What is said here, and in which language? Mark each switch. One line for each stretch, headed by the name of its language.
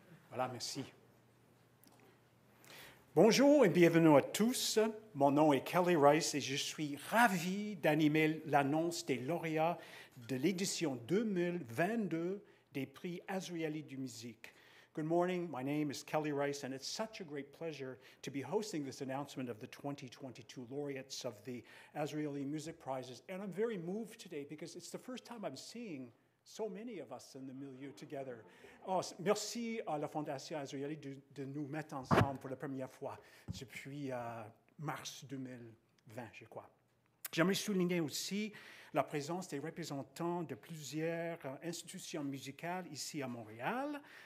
French: Voilà, merci. Bonjour et bienvenue à tous. Mon nom est Kelly Rice et je suis ravi d'animer l'annonce des lauréats de l'édition 2022 des prix Azrieli du Musique.
English: Good morning, my name is Kelly Rice, and it's such a great pleasure to be hosting this announcement of the 2022 laureates of the Azrieli Music Prizes. And I'm very moved today because it's the first time I'm seeing so many of us in the milieu together.
French: Oh, merci à la Fondation Azrieli de nous mettre ensemble pour la première fois depuis mars 2020, je crois. J'aimerais souligner aussi la présence des représentants de plusieurs institutions musicales ici à Montréal.